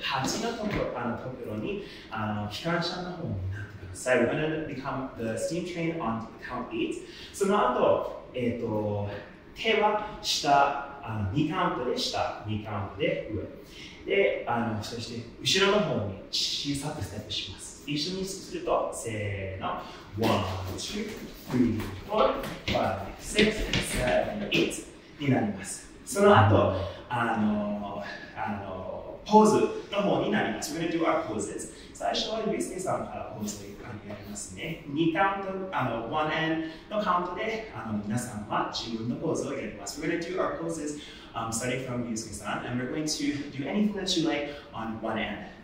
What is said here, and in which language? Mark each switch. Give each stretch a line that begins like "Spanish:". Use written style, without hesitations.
Japanese: 8のところにあの機関車の方になってください。
English: We're going to become the steam train on count 8.
Japanese: その後手は下、あの2カウントで下、2カウントで上。で、あのそして後ろの方に小さくステップします。一緒にすると、せーの、1、2、3、4、5、6、7、8になります。その後、あのポーズの方になります。
English: We're going to do our poses.
Japanese: 最初はユースケさんからポーズを。2カウント、あの、1円のカウントで、あの、皆さんは自分のポーズをやります。
English: We're going to do our poses, starting from Yusuke-san, and we're going to do anything that you like on 1 end.